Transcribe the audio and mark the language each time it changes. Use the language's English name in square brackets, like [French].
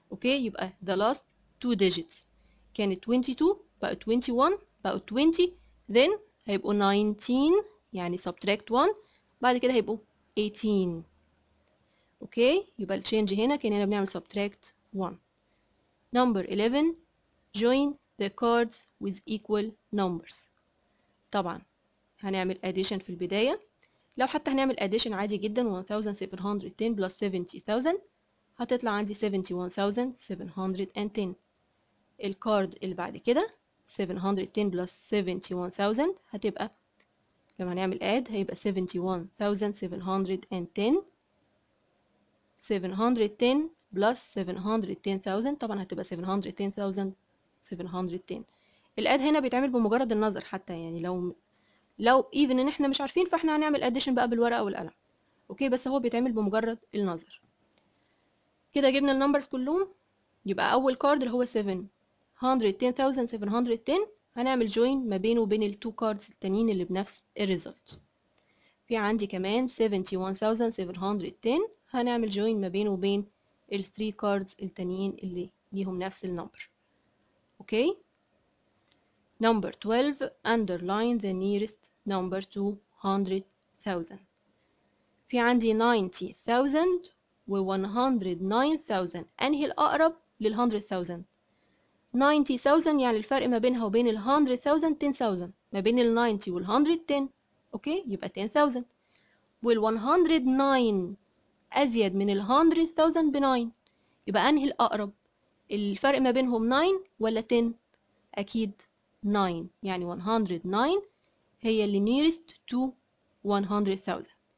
[Arabic] اوكي، يبقى [English] the last two digits [Arabic] كانت 22 بقت 21 بقت 20، then هيبقوا 19 يعني [English] subtract 1، [Arabic] بعد كده هيبقوا 18. اوكي، يبقى الشينج هنا كأننا بنعمل [English] subtract 1. Number 11 join the cards with equal numbers. [Arabic] طبعا هنعمل addition في البداية، لو حتى هنعمل addition عادي جدا 1710 plus 70,000 هتطلع عندي 71,710. الكارد اللي بعد كده 710 plus 71,000 هتبقى لما نعمل add هيبقى 71,710 710 plus 710,000، طبعا هتبقى 710,710. الاد هنا بيتعمل بمجرد النظر، حتى يعني لو even ان احنا مش عارفين فاحنا هنعمل addition بقى بالورقة والقلم. اوكي، بس هو بيتعمل بمجرد النظر. كده جبنا النمبرز كلهم، يبقى اول كارد اللي هو 710,710 هنعمل join ما بينه وبين ال [English] two cards [Arabic] التانيين اللي بنفس الريزلت. في عندي كمان 71,710 هنعمل join ما بينه وبين ال [English] three cards [Arabic] التانيين اللي ليهم نفس النمبر. [English] Okay, number 12 underline the nearest number 200,000. [Arabic] في عندي 90,000 و 109,000، انهي الاقرب لل 100,000؟ 90,000 يعني الفرق ما بينها وبين ال 100,000 10,000، ما بين ال 90 وال 100 10. اوكي، يبقى 10,000. وال 109 ازيد من ال 100,000 ب 9، يبقى انهي الاقرب؟ الفرق ما بينهم 9 ولا 10؟ اكيد 9، يعني 109 هي اللي [English] nearest to 100,000.